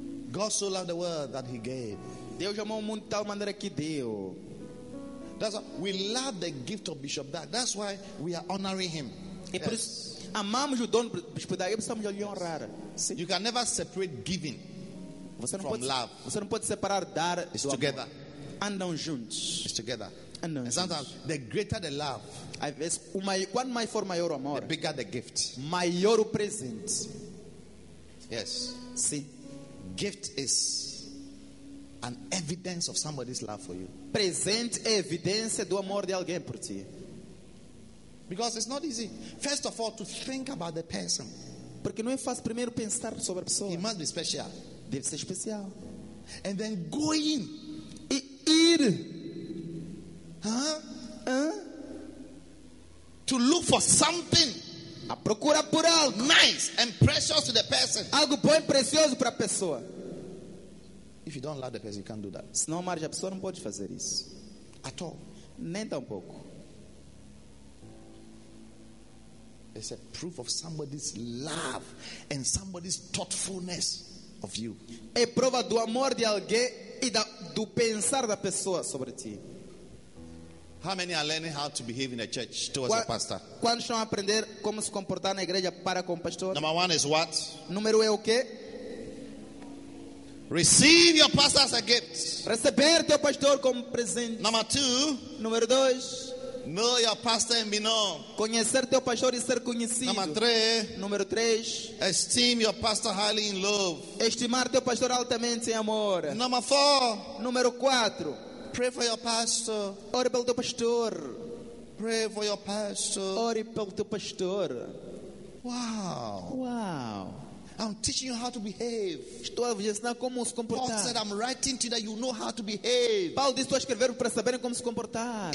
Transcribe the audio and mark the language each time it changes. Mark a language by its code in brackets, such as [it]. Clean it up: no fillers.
[en] God so loved the world that he gave. [pt] Deus amou o mundo de tal maneira que deu. [en] That's why we love the gift of Bishop Dag. That's why we are honoring him. [pt] E por isso amamos o dono do Bishop Dag. Precisamos lhe honrar. [en] You can never separate giving from love. [pt] Você não pode separar dar do [en] amor. It's together. [pt] Andam juntos. [en] It's together. [pt] Andam juntos. [en] And sometimes the greater the love, [pt] às vezes, quanto mais for maior o amor, [en] the bigger the gift. [pt] Maior o presente. [en] Yes. [pt] Sim. [en] Gift is an evidence of somebody's love for you. [pt] Presente evidência do amor de alguém por ti. [en] Because it's not easy. First of all, to think about the person. [pt] Porque não é fácil primeiro pensar sobre a pessoa. [en] He must be special. [pt] Deve ser especial. [en] And then going. [pt] E ir. [en] To look for something. [pt] A procura por algo. [en] Nice and precious to the person. [pt] Algo bom e precioso para a pessoa. [en] If you don't love the person, you can't do that. [pt] Se não amar a pessoa, não pode fazer isso. [en] At all. [pt] Nem tampouco. [en] It's a proof of somebody's love and somebody's thoughtfulness of you. [pt] É prova do amor de alguém e do pensar da pessoa sobre ti. [en] How many are learning how to behave in a church towards a pastor? [pt] Quantos estão a aprender como se comportar na igreja para com o pastor? [en] Number one is what? [pt] Número é o quê? [en] Receive your pastor as a gift. [pt] Receber teu pastor como presente. [en] Number two. [pt] Número dois. [en] Know your pastor and be known. [pt] Conhecer teu pastor e ser conhecido. [en] Number three. [pt] Número três. [en] Esteem your pastor highly in love. [pt] Estimar teu pastor altamente em amor. [en] Number four. [pt] Número quatro. [en] Pray for your pastor. [pt] Ore pelo teu pastor. [en] Pray for your pastor. [pt] Ore pelo teu pastor. Wow. Wow. [en] I'm teaching you how to behave. [pt] Estou a ensinar como se comportar. [en] Paul said, I'm writing to you that you know how to behave. [pt] Paulo disse, estou a escrever para saberem como se comportar.